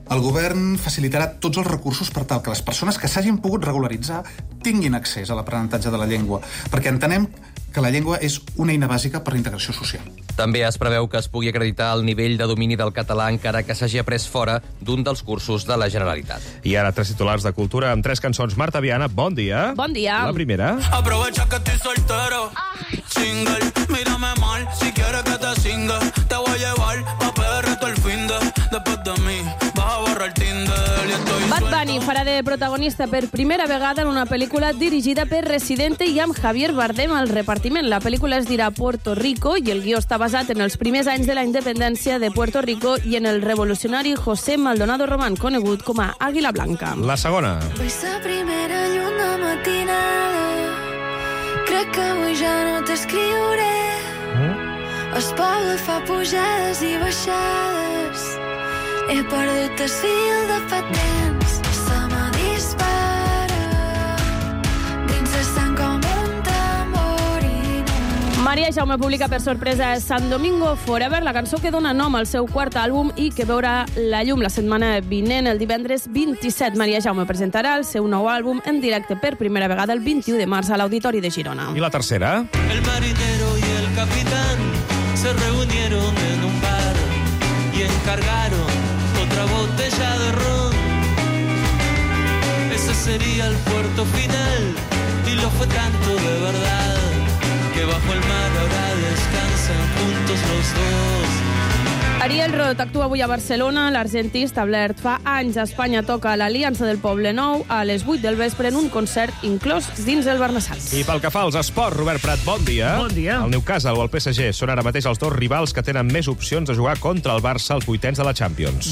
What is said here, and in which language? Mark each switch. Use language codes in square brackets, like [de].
[ca] El govern facilitarà tots els recursos per tal que les persones que s'hagin pogut regularitzar tinguin accés a l'aprenentatge de la llengua, perquè entenem que la llengua és una eina bàsica per a l'integració social. També es preveu que es pugui acreditar el nivell de domini del català encara que s'hagi après fora d'un dels cursos de la Generalitat. I ara tres titulars de cultura amb tres cançons. Marta Viana, bon dia. Bon dia. La primera. [es] Aprovecha que estoy soltero. Single, mírame mal. Si quieres que te singa, te voy a llevar pa' perrito el fin de. Después de mí, vas a borrar el Tinder. [ca] Bad Bunny farà de protagonista per primera vegada en una pel·lícula dirigida per Residente i amb Javier Bardem al repartiment. La pel·lícula es dirà Puerto Rico i el guió està basat en els primers anys de la independència de Puerto Rico i en el revolucionari José Maldonado Román, conegut com a Àguila Blanca. La segona. Vull ser primera lluna matinada. Crec que avui ja no t'escriuré. Es poble fa pujades i baixades. He perdut el fil de fa temps. Se me dispara dins de sang com un tambor. Maria Jaume publica per sorpresa San Domingo Forever, la cançó que dona nom al seu quart àlbum i que veurà la llum la setmana vinent, el divendres 27. Maria Jaume presentarà el seu nou àlbum en directe per primera vegada el 21 de març a l'Auditori de Girona. I la tercera? [es] El marinero y el capitán se reunieron en un bar y encargaron otra botella de ron. Ese sería el puerto final y lo fue tanto de verdad que bajo el mar ahora descansan juntos los dos. [ca] Ariel Roth actua avui a Barcelona. L'argentí establert fa anys a Espanya toca a l'Aliança del Poblenou a les 8 del vespre en un concert inclòs dins el Barnasals. I pel que fa als esports, Robert Prat, bon dia. Bon dia. El Newcastle o el PSG són ara mateix els dos rivals que tenen més opcions de jugar contra el Barça als vuitens de la Champions.